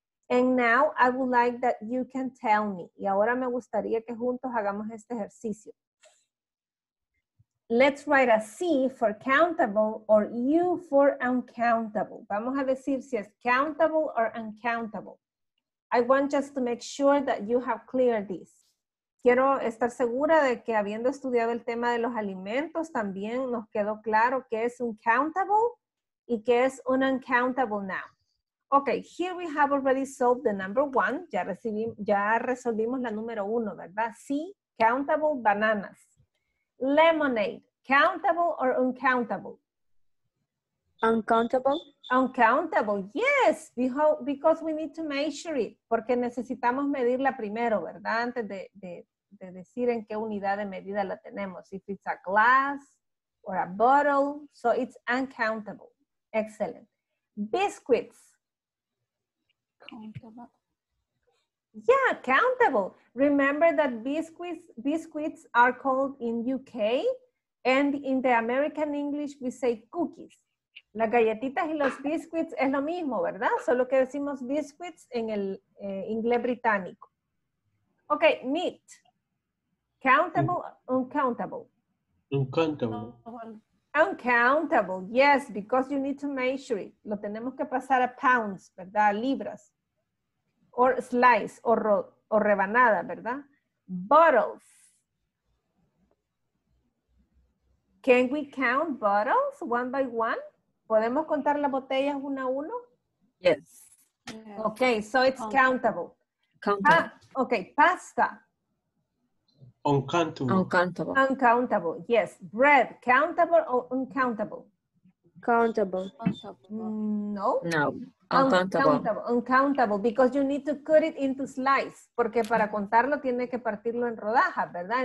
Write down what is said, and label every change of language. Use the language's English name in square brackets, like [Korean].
[English] And now I would like that you can tell me. [Spanish] Y ahora me gustaría que juntos hagamos este ejercicio. [English] Let's write a C for countable or U for uncountable. [Spanish] Vamos a decir si es countable or uncountable. [English] I want just to make sure that you have cleared this. [Spanish] Quiero estar segura de que habiendo estudiado el tema de los alimentos, también nos quedó claro qué es un countable y qué es un uncountable noun. [English] Okay, here we have already solved the number one. [Spanish] Ya resolvimos la número uno, ¿verdad? C, countable, bananas. [English] Lemonade, countable or uncountable? Uncountable. Uncountable, yes, because we need to measure it. [Spanish] Porque necesitamos medirla primero, ¿verdad? Antes de decir en qué unidad de medida la tenemos. [English] If it's a glass or a bottle, so it's uncountable. Excellent. Biscuits. Countable. Yeah, countable. Remember that biscuits are called in UK and in the American English we say cookies. [Spanish] Las galletitas y los biscuits es lo mismo, ¿verdad? Solo que decimos biscuits en el inglés británico. [English] Okay, meat. Countable, uncountable. Uncountable. Uncountable, yes, because you need to measure it. [Spanish] Lo tenemos que pasar a pounds, ¿verdad? A libras. Or slice, o rebanada, ¿verdad? Bottles. [English] Can we count bottles one by one? [Spanish] ¿Podemos contar las botellas una a uno? [English] Yes. Okay, so it's countable. Countable. Okay, pasta. Uncountable. Uncountable. Uncountable, yes. Bread, countable or uncountable? Countable. No. No. Uncountable. Uncountable, because you need to cut it into slices. [Spanish] Porque para contarlo tiene que partirlo en rodajas, ¿verdad?